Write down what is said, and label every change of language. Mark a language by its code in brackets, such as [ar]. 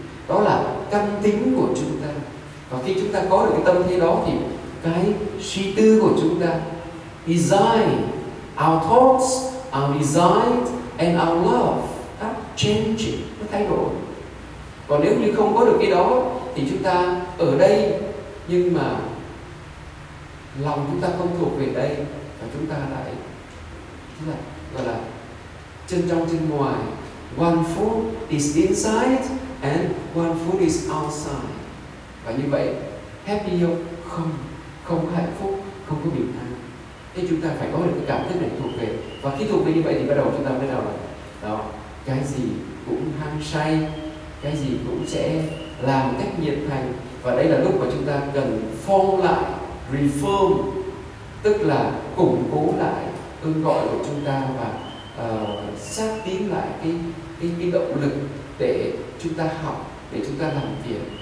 [vi] Đó là căn tính của chúng ta. Và khi chúng ta có được cái tâm thế đó thì cái suy tư của chúng ta, design, [en] our thoughts, our desires and our love, that changing, [vi] nó thay đổi. Còn nếu như không có được cái đó thì chúng ta ở đây nhưng mà lòng chúng ta không thuộc về đây, và chúng ta lại gọi là chân trong chân ngoài. [en] One foot is inside and one foot is outside. [vi] Và như vậy, happy không? Không hạnh phúc, không có bình an. Thế chúng ta phải có được cái cảm thức này thuộc về. Và khi thuộc về như vậy thì bắt đầu chúng ta bắt đầu là đó, cái gì cũng hăng say, cái gì cũng sẽ làm cách nhiệt thành. Và đây là lúc mà chúng ta cần form lại, reform, tức là củng cố lại ơn gọi của chúng ta và xác tín lại cái động lực để chúng ta học, để chúng ta làm việc.